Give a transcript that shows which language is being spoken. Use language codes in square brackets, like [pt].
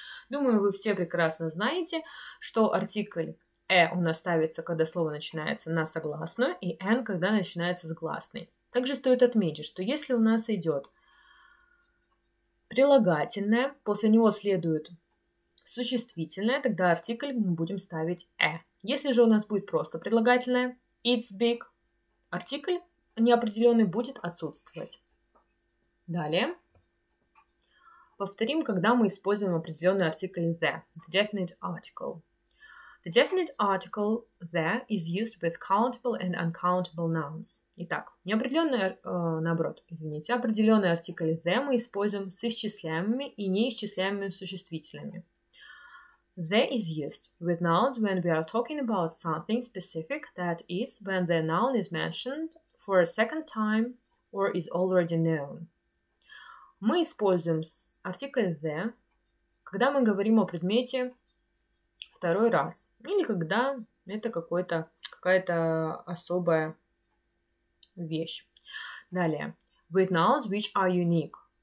[ru] Думаю, вы все прекрасно знаете, что артикль a у нас ставится, когда слово начинается на согласную, и an, когда начинается с гласной. Также стоит отметить, что если у нас идет прилагательное, после него следует существительное, тогда артикль мы будем ставить a. Если же у нас будет просто прилагательное, [en] it's big. [ru] Артикль неопределенный будет отсутствовать. Далее. Повторим, когда мы используем определенный артикль the. [en] The definite article. The definite article the is used with countable and uncountable nouns. [ru] Итак, определенный артикль the мы используем с исчисляемыми и неисчисляемыми существителями. [en] The is used with nouns when we are talking about something specific, that is, when the noun is mentioned for a second time or is already known. [ru] Мы используем артикль the, когда мы говорим о предмете второй раз, или когда это какая-то особая вещь. Далее. [en] With nouns which are unique.